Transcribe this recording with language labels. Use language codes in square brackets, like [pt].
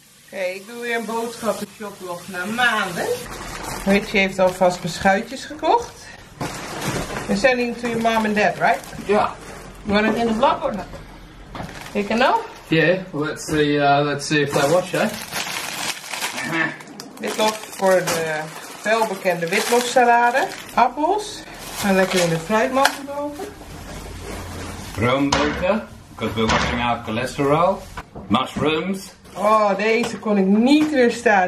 [nl] ik doe weer een boodschappenshoplog na maanden. Richie heeft alvast beschuitjes gekocht. [en] We're sending to your mom and dad, right? [nl] Ja. [en] You want it in the vlog or not? You can know? Yeah, well, let's see if they watch, eh? [nl] Witlof voor de welbekende witlofsalade. Appels. Gaan lekker in de fruitmand erover. [en] Roomboter, because we're washing out cholesterol. Mushrooms. [nl] Oh, deze kon ik niet weerstaan.